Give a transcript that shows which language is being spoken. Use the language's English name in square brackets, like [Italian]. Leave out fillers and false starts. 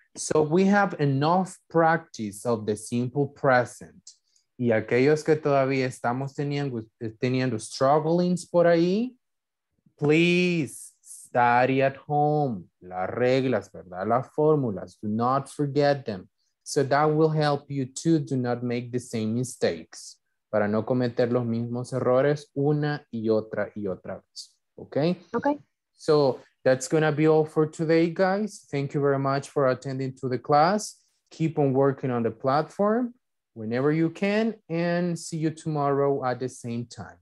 [English] So we have enough practice of the simple present. [Spanish] Y aquellos que todavía estamos teniendo strugglings por ahí, please [English] study at home. [Spanish] Las reglas, ¿verdad? Las fórmulas. [English] Do not forget them. So that will help you too. Do not make the same mistakes. [Spanish] Para no cometer los mismos errores una y otra vez. [English] Okay? Okay. So that's going to be all for today, guys. Thank you very much for attending to the class. Keep on working on the platform whenever you can. And see you tomorrow at the same time.